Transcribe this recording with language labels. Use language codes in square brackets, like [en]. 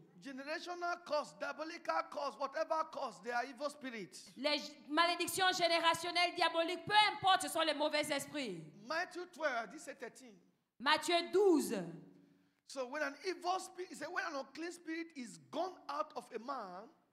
[en] Generational curse, diabolical curse, whatever curse, they are evil spirits. [fr] Les malédictions générationnelles, diaboliques, peu importe, ce sont les mauvais esprits. [en] Matthew 12, 17, 13. [fr] Matthieu 12. [en] So when an evil spirit, he said, when an unclean spirit is gone out of a man.